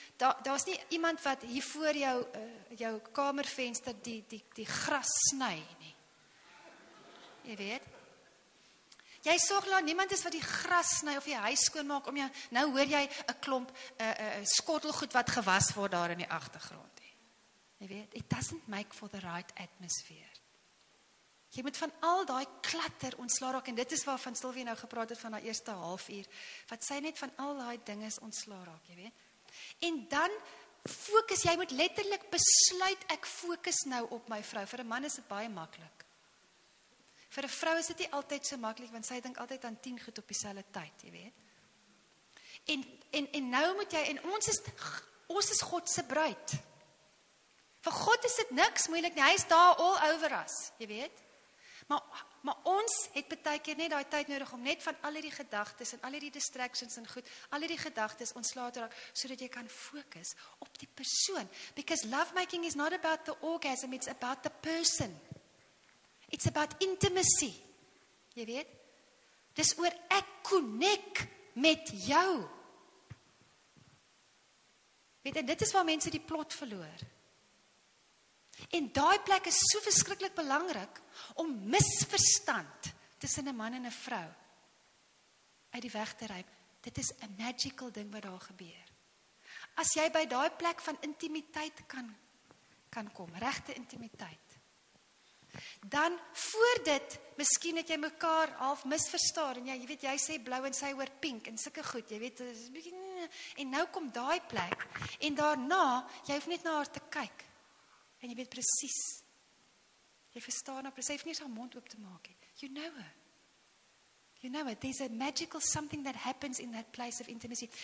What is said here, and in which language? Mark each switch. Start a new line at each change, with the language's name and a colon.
Afrikaans: Daar's nie iemand wat hier voor jou jou kamervenster die gras sny nie. Jy weet? Jy sorg dat niemand is wat die gras sny of die huis skoon maak om jou. Nou hoor jy 'n klomp skottelgoed wat gewas word daar in die agtergrond. Jy weet,
English: it doesn't make for the right atmosphere.
Afrikaans: Jy moet van al daai klatter ontslaa raak en dit is waarvan Sylvie nou gepraat het van haar eerste halfuur wat sy net van al daai dinge is ontslaa raak, jy weet. En dan fokus jy moet letterlik besluit ek fokus nou op my vrou. Vir 'n man is dit baie maklik. Vir 'n vrou is dit nie altyd so maklik, want sy dink altyd aan 10 goed op dieselfde tyd, jy weet. En nou moet jy, en ons is God se bruid. Vir God is dit niks moeilik nie, hy is daar
English: all over us,
Afrikaans: jy weet. Maar ons het partykeer net daai tyd nodig om net van al die gedagtes en al die distractions en goed, al die gedagtes ontslae te raak, sodat jy kan fokus op die persoon.
English: Because lovemaking is not about the orgasm, it's about the person. It's about intimacy.
Afrikaans: Jy weet? Dis oor ek connect met jou. Weet, en dit is waar mense die plot verloor. En daai plek is so verskriklik belangrik om misverstand tussen 'n man en 'n vrou uit die weg te ruim. Dit is 'n magical ding wat daar gebeur. As jy by daai plek van intimiteit kan kom, regte intimiteit, dan voor dit, miskien het jy mekaar half misverstaan en jy weet, jy sê blou en sy hoor pink en sulke goed, jy weet, en nou kom daai plek en daarna, jy hoef net na haar te kyk En jy weet precies. Jy verstaan haar precies. Jy hoef nie haar mond oop te maak.
English: You know her. You know it. There's a magical something that happens in that place of intimacy.